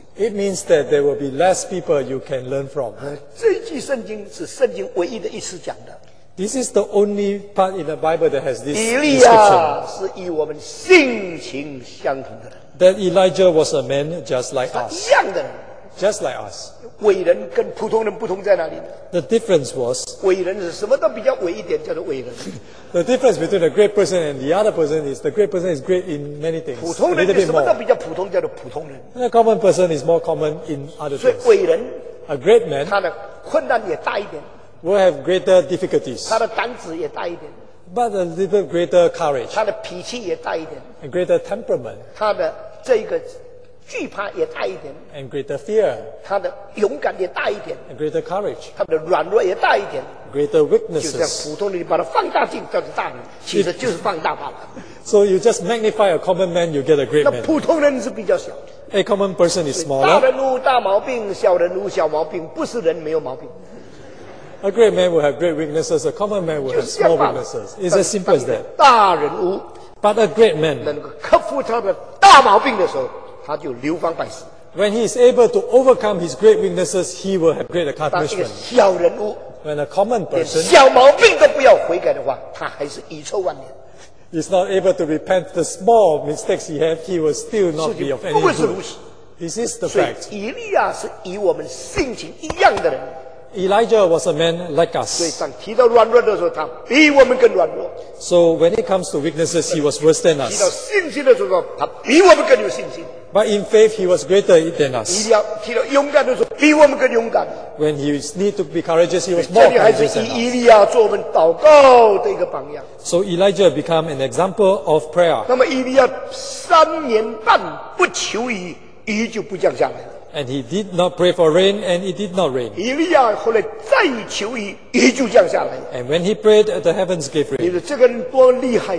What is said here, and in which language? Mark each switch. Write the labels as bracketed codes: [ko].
[en] It means that there will be less people you can learn from. This is the only part in the Bible that has this description. That Elijah was a man just like us. Just like us. [zh] 伟人跟普通人不同在哪里呢? [en] The difference was, [zh] 伟人是什么都比较伟一点，叫做伟人。 [en] The difference between a great person and the other person is the great person is great in many things. [zh] 普通人是什么都比较普通，叫做普通人。 [en] The common person is more common in other things. [zh] 所以伟人, [en] a great man, [zh] 他的困难也大一点, [en] will have greater difficulties. [zh] 他的胆子也大一点, [en] but a little greater courage. [zh] 他的脾气也大一点, [en] a greater temperament. [zh] 他的这个 惧怕也大一点, [en] and greater fear. [zh] 他的勇敢也大一点, [en] and greater courage. [zh] 他的软弱也大一点, [en] greater weaknesses. [zh] 就像普通人把它放大镜叫做大人, 其实就是放大罢了。 [en] So you just magnify a common man, you get a great man. [zh] 那普通人是比较小, [en] a common person is smaller. [zh] 大人无大毛病, 小人无小毛病, 不是人没有毛病。 [en] A great man will have great weaknesses, a common man will have small weaknesses. It's as simple as that. [zh] 大人无, [en] but a great man, [zh] 能够克服他的大毛病的时候, 他就流芳百世。 [en] When he is able to overcome his great weaknesses, he will have great accomplishment. [zh] 但是小人物, [en] when a common person, [zh] 小毛病都不要悔改的话, 他还是遗臭万年。 [en] He's not able to repent the small mistakes he had, he will still not be of any good. This is the fact. [zh] 所以伊利亚是以我们性情一样的人。 [en] Elijah was a man like us. [zh] 所以当提到软弱的时候, 他比我们更软弱。 [en] So when it comes to weaknesses, he was worse than us. [zh] 提到信心的时候, 他比我们更有信心。 [en] But in faith, he was greater than us. [zh] 提到勇敢的时候, 比我们更勇敢。 [en] When he needed to be courageous, he was more courageous than us. [zh] 伊利亚做我们祷告的一个榜样。 [en] So Elijah became an example of prayer. [zh] 那么伊利亚三年半不求雨，雨就不降下来了。 [en] And he did not pray for rain, and it did not rain. [zh] 伊利亚后来再求雨，雨就降下来了。 [en] And when he prayed, the heavens gave rain.